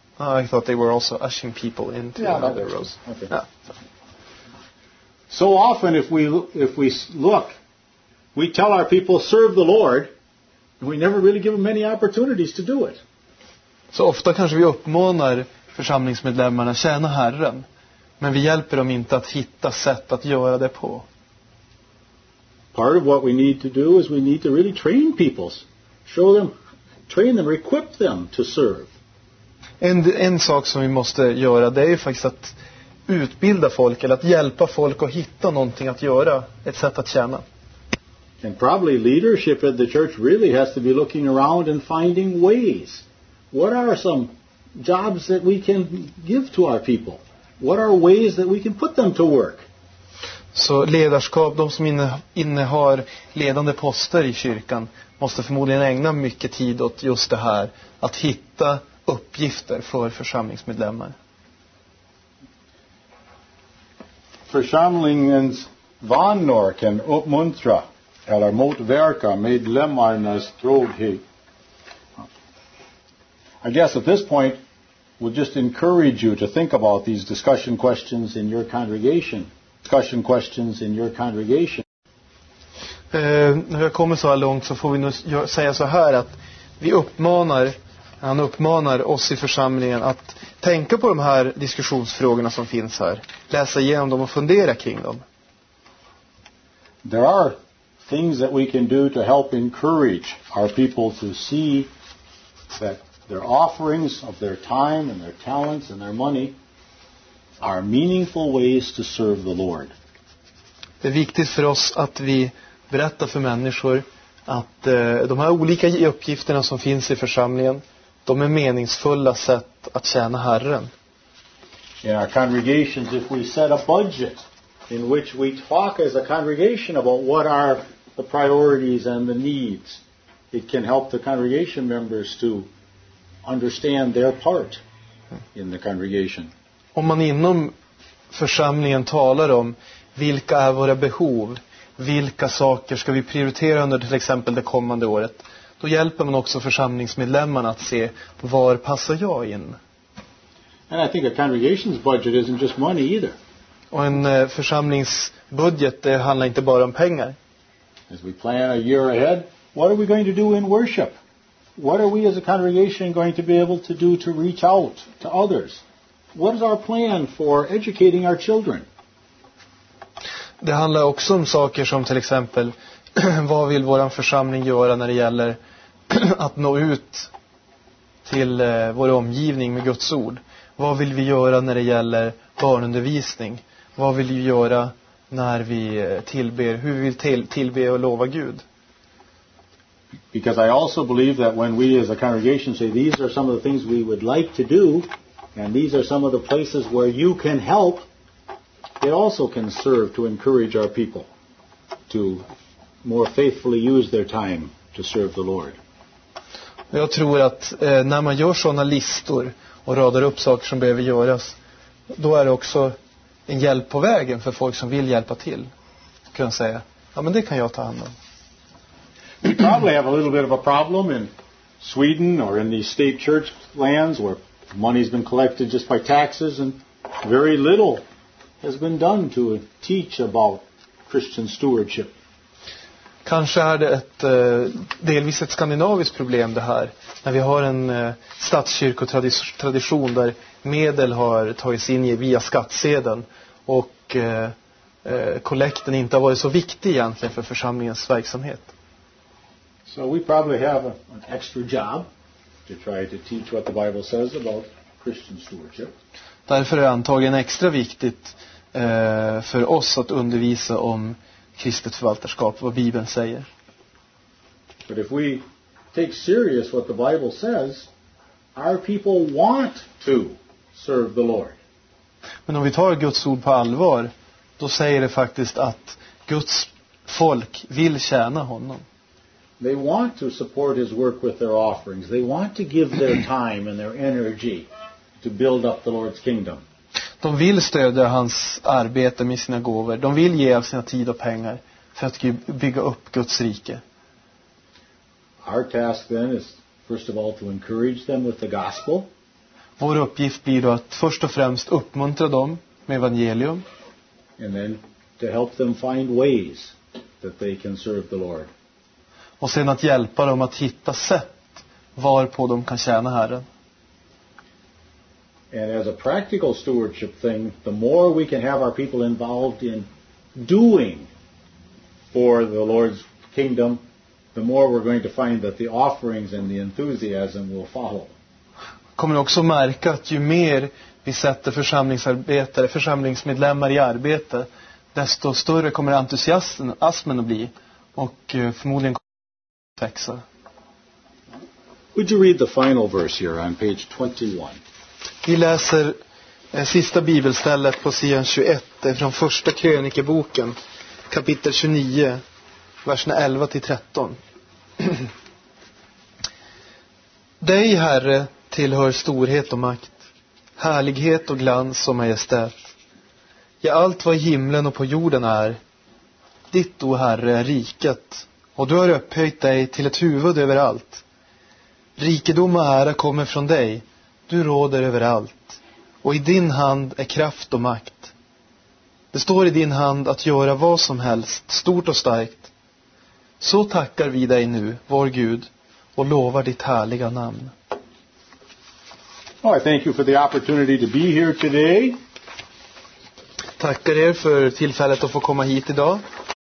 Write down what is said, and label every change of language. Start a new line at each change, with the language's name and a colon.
English: I thought they were also ushering people into other rows. Okay. So often if we look, we tell our people serve the Lord, and we never really give them many opportunities to do it.
Swedish: Så ofta kanske vi uppmanar församlingsmedlemmarna tjäna Herren, men vi hjälper dem inte att hitta sätt att göra det på.
English: Part of what we need to do is we need to really train people. Show them, train them, equip them to serve.
Swedish: En sak som vi måste göra, det är ju faktiskt att utbilda folk eller att hjälpa folk att hitta någonting att göra, ett sätt att tjäna.
English: And probably leadership at the church really has to be looking around and finding ways. What are some jobs that we can give to our people? What are ways that we can put them to work?
Swedish: Så ledarskap, de som innehar ledande poster i kyrkan, måste förmodligen ägna mycket tid åt just det här, att hitta uppgifter för församlingsmedlemmar. Församlingens vanor kan uppmuntra eller motverka medlemmarnas tråkighet.
English: I guess at this point we'll just encourage you to think about these discussion questions in your congregation.
Swedish: När vi kommer så här långt så får vi nu säga så här, att vi uppmanar oss i församlingen att tänka på de här diskussionsfrågorna som finns här, läsa igenom dem och fundera kring dem.
English: There are things that we can do to help encourage our people to see that their offerings of their time and their talents and their money are meaningful ways to serve the Lord.
Swedish: Det är viktigt för oss att vi berättar för människor att de här olika uppgifterna som finns i församlingen, de är meningsfulla sätt att tjäna Herren.
English: In our congregations, if we set a budget in which we talk as a congregation about what are the priorities and the needs, it can help the congregation members to understand their part in the congregation.
Swedish: Om man inom församlingen talar om vilka är våra behov, vilka saker ska vi prioritera under till exempel det kommande året, då hjälper man också församlingsmedlemmarna att se, var passar jag in?
English: And I think a congregation's budget isn't just money either.
Swedish: Och en församlingsbudget, det handlar inte bara om pengar.
English: As we plan a year ahead, what are we going to do in worship? What are we as a congregation going to be able to do to reach out to others? What is our plan for educating our children?
Swedish: Det handlar också om saker som till exempel vad vill våran församling göra när det gäller att nå ut till vår omgivning med Guds ord. Vad vill vi göra när det gäller barnundervisning? Vad vill vi göra när vi tillber? Hur vill vi tillbe och lova Gud?
English: Because I also believe that when we as a congregation say these are some of the things we would like to do And these are some of the places where you can help. It also can serve to encourage our people to more faithfully use their time to serve the Lord.
Swedish: Jag tror att när man gör såna listor och radar upp saker som behöver göras, då är det också en hjälp på vägen för folk som vill hjälpa till. Kunna säga, ja men det kan jag ta hand om.
English: We probably have a little bit of a problem in Sweden or in the state church lands where money's been collected just by taxes and very little has been done to teach about Christian stewardship.
Swedish: Kanske är det ett delvis ett skandinaviskt problem det här, när vi har en statskyrkotradition där medel har tagits in via skattsedeln och kollekten inte har varit så viktig egentligen för församlingens verksamhet.
English: So we probably have an extra job to try to teach what the Bible says about Christian stewardship.
Swedish: Därför är det antagligen extra viktigt för oss att undervisa om kristet förvaltarskap, vad Bibeln säger.
English: But if we take serious what the Bible says, our people want to serve the Lord.
Swedish: Men om vi tar Guds ord på allvar, då säger det faktiskt att Guds folk vill tjäna honom.
English: They want to support his work with their offerings. They want to give their time and their energy to build up the Lord's kingdom.
Swedish: De vill stödja hans arbete med sina gåvor. De vill ge av sina tid och pengar för att bygga upp Guds rike.
English: Our task then is first of all to encourage them with the gospel.
Swedish: Vår uppgift blir då att först och främst uppmuntra dem med evangelium.
English: And then to help them find ways that they can serve the Lord.
Swedish: Och sen att hjälpa dem att hitta sätt varpå de kan tjäna Herren.
English: And as a practical stewardship thing, the more we can have our people involved in doing for the Lord's kingdom, the more we're going to find that the offerings and the enthusiasm will follow.
Swedish: Kommer också märka att ju mer vi sätter församlingsarbetare, församlingsmedlemmar i arbete, desto större kommer entusiasmen att bli och förmodligen kommer att växa.
English: Would you read the final verse here on page 21?
Swedish: Vi läser sista bibelstället på sidan 21 från första krönikeboken, kapitel 29, verserna 11-13. Dig, Herre, tillhör storhet och makt, härlighet och glans och majestät. Ja, allt vad i himlen och på jorden är, ditt, o Herre, är riket, och du har upphöjt dig till ett huvud över allt. Rikedom och ära kommer från dig. Du råder överallt, och i din hand är kraft och makt. Det står i din hand att göra vad som helst, stort och starkt. Så tackar vi dig nu, vår Gud, och lovar ditt härliga namn.
English: Well, I thank you for the opportunity to be here today.
Swedish: Tackar er för tillfället att få komma hit idag.